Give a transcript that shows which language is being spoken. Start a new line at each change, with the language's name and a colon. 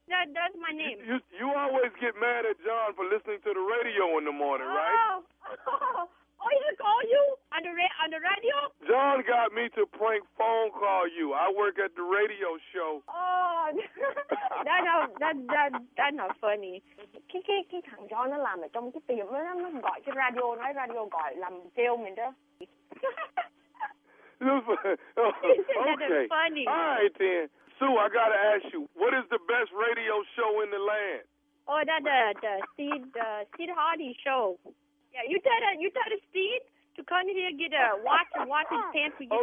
English: That's my name. You always get mad at John for listening to the radio in the morning, right? Oh, he called you on the radio? John got me to prank phone call you. I work at the radio show. Oh, that's not funny.
Vietnamese: Cái thằng chó nó làm ở trong cái tiệm đó, nó gọi cái radio, nói radio gọi làm kêu mình đó.
English: Okay. Funny. All right then, Sue, I gotta ask you, what is the best radio show in the land? Oh, that the Steve Hardy show. Yeah, you tell Steve to come here get a watch and watch his pants for you.